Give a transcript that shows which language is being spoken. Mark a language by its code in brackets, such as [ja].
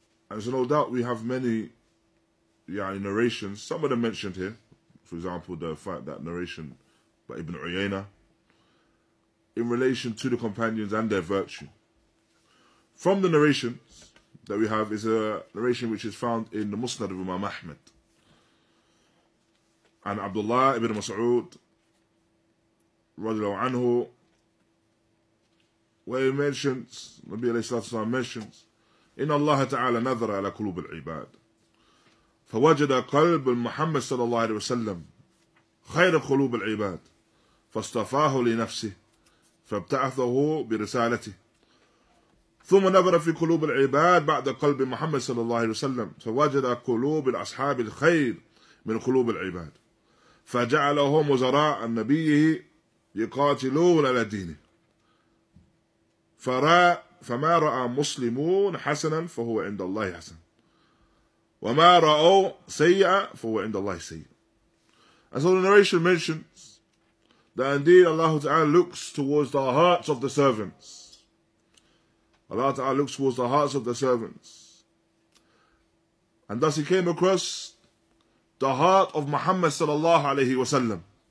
[en] And so no doubt we have many narrations, some of them mentioned here, for example, the fact that narration by Ibn Uyayna, in relation to the companions and their virtue. From the narrations that we have is a narration which is found in the Musnad of Imam Ahmed. And Abdullah ibn Mas'ud, radiallahu anhu, where he mentions, Nabi alayhi salatu wasalam mentions, [ar] إن الله تعالى نظر على قلوب العباد فوجد قلب محمد صلى الله عليه وسلم خير قلوب العباد فاصطفاه لنفسه فابتعثه برسالته ثم نظر في قلوب العباد بعد قلب محمد صلى الله عليه وسلم فوجد قلوب الأصحاب الخير من قلوب العباد فجعلهم وزراء نبيه يقاتلون على دينه فما رأى مسلمون حسنا فهو عند الله حسن وما رأوا سيئا فهو عند الله سيئا. [en] And so the narration mentions that indeed Allah Ta'ala looks towards the hearts of the servants. Allah Ta'ala looks towards the hearts of the servants. And thus he came across the heart of Muhammad Sallallahu Alaihi Wasallam.